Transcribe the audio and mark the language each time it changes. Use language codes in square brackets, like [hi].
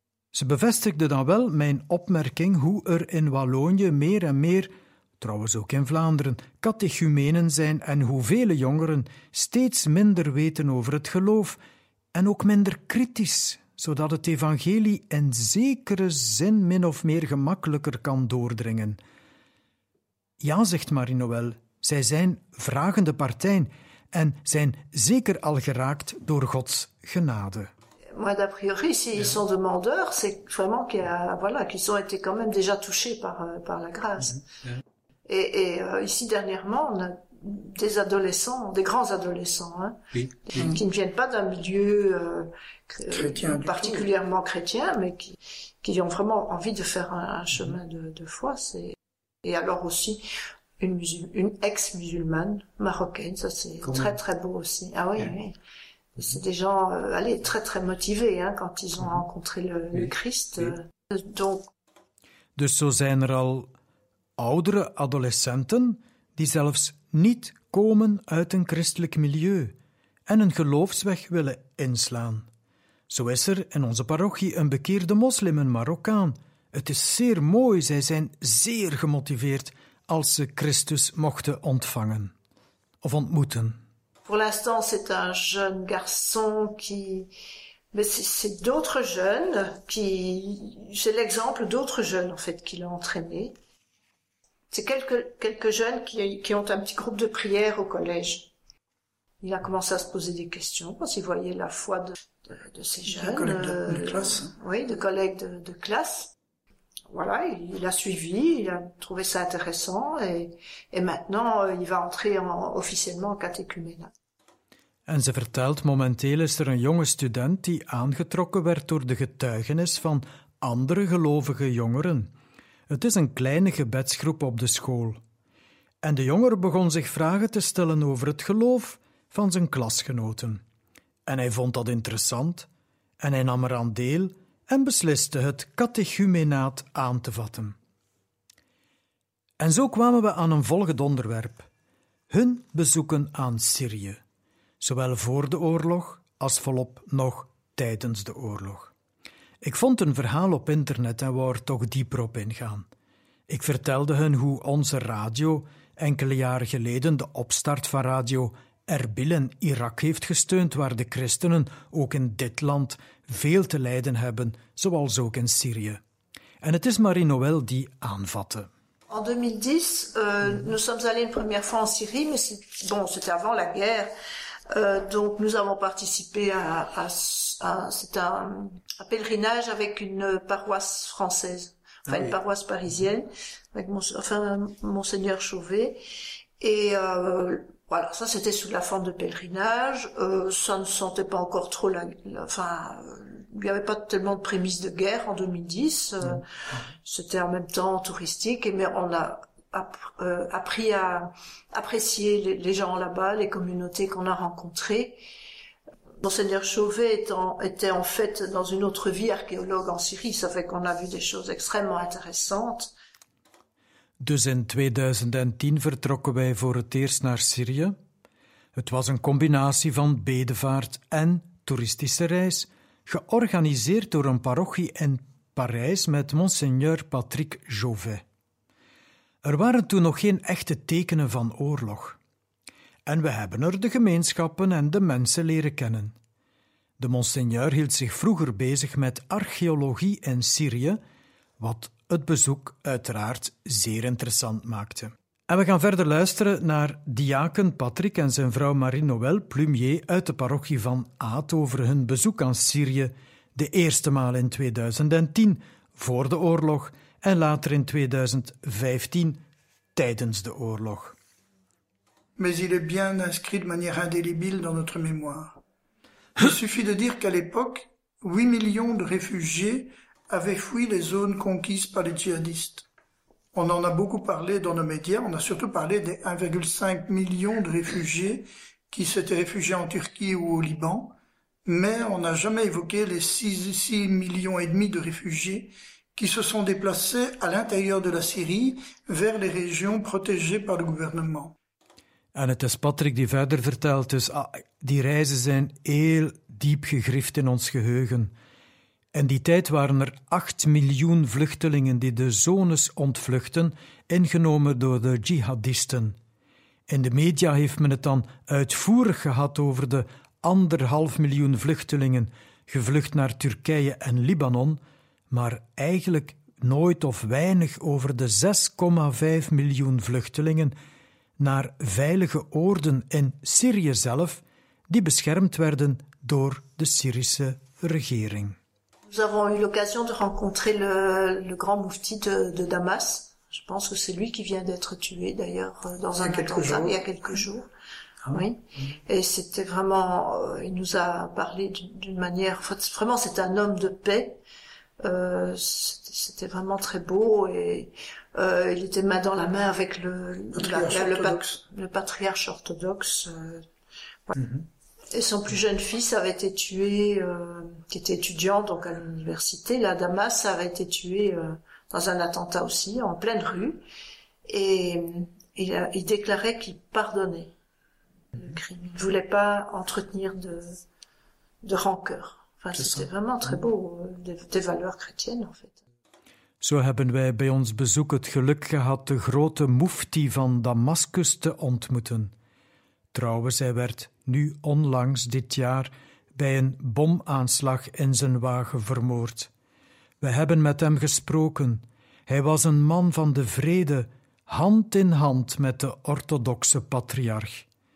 [nl] Ze bevestigde dan wel mijn opmerking hoe er in Wallonië meer en meer, trouwens ook in Vlaanderen, catechumenen zijn en hoe vele jongeren steeds minder weten over het geloof en ook minder kritisch, zodat het evangelie in zekere zin min of meer gemakkelijker kan doordringen. Ja, zegt Marie-Noël, zij zijn vragende partijen en zijn zeker al geraakt door Gods genade. [fr] Moi, d'a priori, s'ils sont demandeurs, c'est vraiment qu'il y a, voilà, qu'ils ont été quand même déjà touchés par la grâce. Ici, dernièrement, on a des adolescents, des grands adolescents, hein, qui ne viennent pas d'un milieu particulièrement chrétien, mais qui ont vraiment envie de faire un chemin de foi. Et alors aussi, une ex-musulmane marocaine, ça c'est quand très même. Très beau aussi. Ah oui, oui. C'est des gens très très motivés hein, quand ils ont rencontré le Christ. [nl] Dus zo zijn er al oudere adolescenten die zelfs niet komen uit een christelijk milieu en een geloofsweg willen inslaan. Zo is er in onze parochie een bekeerde moslim, een Marokkaan. Het is zeer mooi, zij zijn zeer gemotiveerd als ze Christus mochten ontvangen of ontmoeten. [fr] Pour l'instant, c'est un jeune garçon qui... Mais c'est d'autres jeunes qui... C'est l'exemple d'autres jeunes, en fait, qui l'ont entraîné. C'est quelques jeunes qui ont un petit groupe de prière au collège. Il a commencé à se poser des questions parce qu'il voyait la foi de ces jeunes. De collègues de classe. Oui, de collègues de classe. Voilà, il a suivi, il a trouvé ça intéressant et maintenant il va entrer officiellement en catéchuménat. [nl] En ze vertelt, momenteel is er een jonge student die aangetrokken werd door de getuigenis van andere gelovige jongeren. Het is een kleine gebedsgroep op de school. En de jongere begon zich vragen te stellen over het geloof van zijn klasgenoten. En hij vond dat interessant en hij nam eraan deel en besliste het catechumenaat aan te vatten. En zo kwamen we aan een volgend onderwerp. Hun bezoeken aan Syrië. Zowel voor de oorlog als volop nog tijdens de oorlog. Ik vond een verhaal op internet en wou er toch dieper op ingaan. Ik vertelde hun hoe onze radio enkele jaren geleden de opstart van radio Erbil in Irak heeft gesteund, waar de christenen ook in dit land veel te lijden hebben, zoals ook in Syrië. En het is Marie-Noël die aanvatte. [fr] En 2010, nous sommes allés une première fois en Syrie, mais c'était avant la guerre. Donc nous avons participé à un pèlerinage avec une paroisse française, enfin une paroisse parisienne, avec Monseigneur Chauvet. Voilà, ça c'était sous la forme de pèlerinage, ça ne sentait pas encore trop il n'y avait pas tellement de prémices de guerre en 2010, c'était en même temps touristique, mais on a appris à apprécier les gens là-bas, les communautés qu'on a rencontrées. Monseigneur Chauvet était en fait dans une autre vie archéologue en Syrie, ça fait qu'on a vu des choses extrêmement intéressantes. [nl] Dus in 2010 vertrokken wij voor het eerst naar Syrië. Het was een combinatie van bedevaart en toeristische reis, georganiseerd door een parochie in Parijs met Monseigneur Patrick Jauvet. Er waren toen nog geen echte tekenen van oorlog. En we hebben er de gemeenschappen en de mensen leren kennen. De Monseigneur hield zich vroeger bezig met archeologie in Syrië, wat het bezoek uiteraard zeer interessant maakte. En we gaan verder luisteren naar diaken Patrick en zijn vrouw Marie-Noël Plumier uit de parochie van Aat over hun bezoek aan Syrië de eerste maal in 2010, voor de oorlog, en later in 2015, tijdens de oorlog. [fr] Mais il est bien inscrit de manière indélébile dans notre mémoire. Il suffit de dire qu'à l'époque, 8 millions de réfugiés avaient fui les zones conquises par les djihadistes. On en a beaucoup parlé dans nos médias, on a surtout parlé des 1,5 million de réfugiés qui s'étaient réfugiés en Turquie ou au Liban, mais on n'a jamais évoqué les 6,5 millions de réfugiés qui se sont déplacés à l'intérieur de la Syrie vers les régions protégées par le gouvernement. [nl] En het is Patrick die verder vertelt, dus die reizen zijn heel diep gegrift in ons geheugen. In die tijd waren er 8 miljoen vluchtelingen die de zones ontvluchten, ingenomen door de jihadisten. In de media heeft men het dan uitvoerig gehad over de 1,5 miljoen vluchtelingen gevlucht naar Turkije en Libanon, maar eigenlijk nooit of weinig over de 6,5 miljoen vluchtelingen naar veilige oorden in Syrië zelf, die beschermd werden door de Syrische regering. [fr] Nous avons eu l'occasion de rencontrer le grand mufti de Damas. Je pense que c'est lui qui vient d'être tué d'ailleurs dans un attentat il y a quelques jours. Ah. Oui. Et c'était vraiment, il nous a parlé d'une manière, vraiment c'est un homme de paix. C'était vraiment très beau et il était main dans la main avec le patriarche orthodoxe. Et son plus jeune fils avait été tué, qui était étudiant donc à l'université, là, à Damas, avait été tué dans un attentat aussi, en pleine rue. Et il déclarait qu'il pardonnait le crime. Il ne voulait pas entretenir de rancœur. C'était vraiment très beau, des valeurs chrétiennes, en fait. [nl] Zo hebben wij bij ons bezoek het geluk gehad de grote mufti van Damascus te ontmoeten. Trouwens, hij werd nu onlangs dit jaar bij een bomaanslag in zijn wagen vermoord. We hebben met hem gesproken. Hij was een man van de vrede, hand in hand met de orthodoxe patriarch.